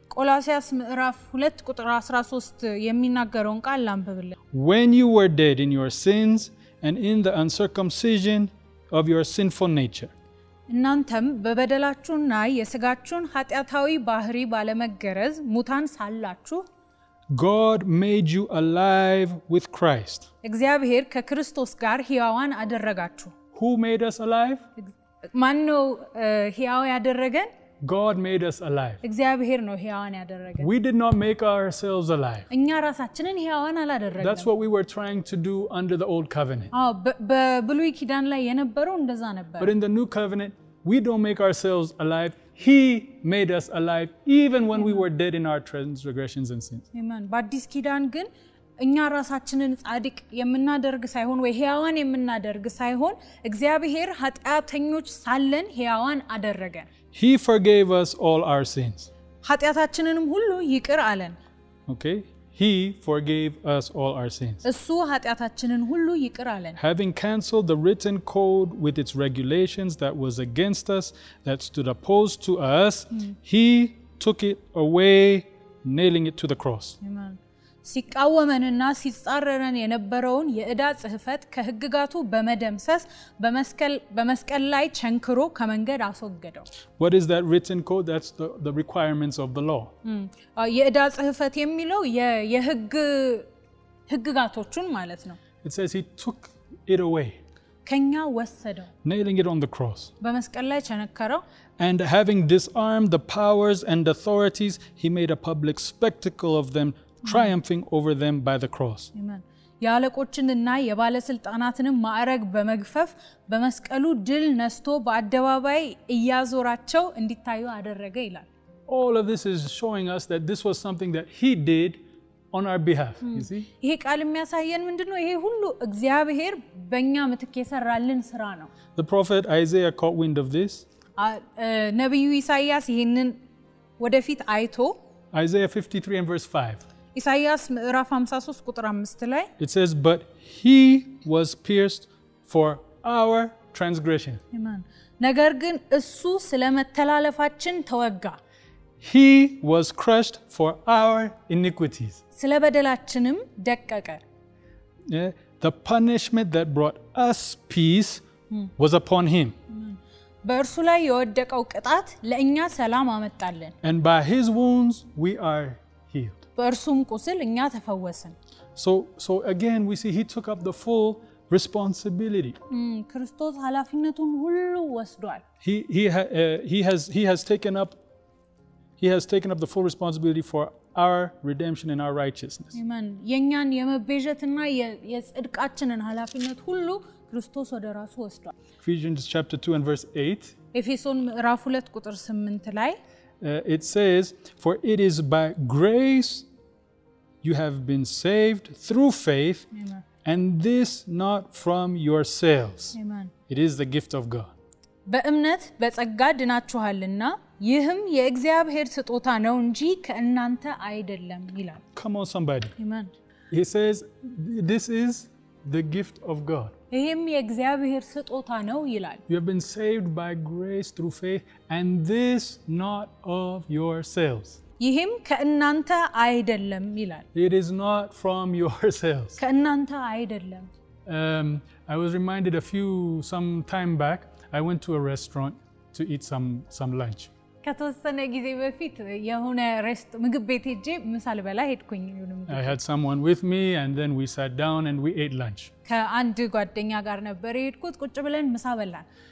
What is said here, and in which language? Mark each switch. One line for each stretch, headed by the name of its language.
Amharic: Colossians ምዕራፍ 2 ቁጥር 13 የሚናገረውን ቃል አንብብልኝ.
English: When you were dead in your sins and in the uncircumcision of your sinful nature.
Amharic: እናንተም በበደላችሁና የሥጋችሁን ኃጢአታዊ ባህሪ ባለመገረዝ ሙታን ሳላችሁ
English: God made you alive with Christ.
Amharic: እግዚአብሔር ከክርስቶስ ጋር ሕያዋን አደረጋችሁ.
English: Who made us alive?
Amharic: ማነው ሕያው ያደረገን?
English: God made us alive.
Amharic: እግዚአብሔር ነው ሕያዋን ያደረገን.
English: We did not make ourselves alive.
Amharic: እኛ ራሳችንን ሕያዋን አላደረግንም.
English: That's what we were trying to do under the old covenant.
Amharic: አዎ በብሉይ ኪዳን ላይ የነበረው እንደዛ ነበር.
English: But in the new covenant, we don't make ourselves alive. He made us alive even when we were dead in our transgressions and sins. Amen.
Amharic: ባዲስ ኪዳን ግን እኛ ራሳችንን ጻድቅ የምናደርግ ሳይሆን ወይ ሕያዋን የምናደርግ ሳይሆን እግዚአብሔር ኃጢአተኞች ሳለን ሕያዋን አደረገ።
English: He forgave us all our sins.
Amharic: ኃጢአታችንንም ሁሉ ይቅር አለን።
English: Okay. He forgave us all our sins.
Amharic: እሱ ኃጢአታችንን ሁሉ ይቅር አለን.
English: Having canceled the written code with its regulations that was against us, that stood opposed to us, he took it away, nailing it to the cross.
Amharic: ሲቃወመንና ሲጻረረን የነበረውን የዕዳ ጽሕፈት ከሕግጋቱ በመደምሰስ በመስቀል ላይ ቸንክሮ ከመንገድ አስወገደው.
English: What is that written code? That's the requirements of the law.
Amharic: የዕዳ ጽሕፈት የሚለው የሕግጋቶቹን ማለት ነው.
English: It says he took it away.
Amharic: ከኛ ወሰደው.
English: Nailing it on the cross.
Amharic: በመስቀል ላይ ቸነከረው.
English: And having disarmed the powers and authorities, he made a public spectacle of them. Triumphing over them by the cross. Amen.
Amharic: ያለቆችንና የባለስልጣናትንም ማዕረግ በመግፈፍ በመስቀሉ ድል ነስቶ በአደባባይ እያዞራቸው እንዲታዩ አደረገ ይላል.
English: All of this is showing us that this was something that he did on our behalf, you see?
Amharic: ይሄ ቃል የሚያሳየን ምንድነው? ይሄ ሁሉ እግዚአብሔር በእኛ ምትክ የሰራልን ስራ ነው.
English: The prophet Isaiah caught wind of this.
Amharic: ነብዩ ኢሳይያስ ይሄንን ወደፊት አይቶ
English: Isaiah 53 and verse 5.
Amharic: ኢሳይያስ ምዕራፍ 53 ቁጥር 5 ላይ
English: It says but he was pierced for our transgression.
Amharic: Amen. ነገር ግን እሱ ስለመተላለፋችን ተወጋ.
English: He was crushed for our iniquities.
Amharic: ስለበደላችንም ደቀቀ.
English: The punishment that brought us peace was upon him.
Amharic: በእርሱ ላይ የወደቀው ቅጣት ለእኛ ሰላም አመጣልን.
English: And by his wounds we are
Amharic: በርሱም ቁስል እኛ ተፈወስን.
English: So again we see he took up the full responsibility.
Amharic: ክርስቶስ ኃላፊነቱን ሁሉ ወስዷል.
English: He has taken up the full responsibility for our redemption and our righteousness. Amen.
Amharic: የኛን የመበጀትና የጽድቃችንን ኃላፊነት ሁሉ ክርስቶስ ወደ ራሱ ወስዷል.
English: Ephesians chapter 2 and verse 8.
Amharic: ኤፌሶን ምዕራፍ 2 ቁጥር 8 ላይ
English: It says for it is by grace you have been saved through faith and this not from yourselves it is the gift of God
Amharic: በእምነት በጸጋ ድናችኋልና ይህም የእግዚአብሔር ስጦታ ነው እንጂ ከእናንተ አይደለም ይላል
English: Come on somebody Amen He says this is the gift of God
Amharic: ይህም የእግዚአብሔር ስጦታ ነው ይላል
English: You have been saved by grace through faith and this not of yourselves
Amharic: ይህም ከእናንተ አይደለም ይላል
English: It is not from yourselves
Amharic: ከእናንተ አይደለም
English: I was reminded some time back I went to a restaurant to eat some lunch
Amharic: ከተወሰነ ጊዜ በፊት የሆነ ምግብ ቤት ሄጄ ምሳ ልበላ ሄድኩኝ
English: I had someone with me and then we sat down and we ate lunch
Amharic: ከአንድ ጓደኛ ጋር ነበር ሄድኩት ቁጭ ብለን ምሳ በላን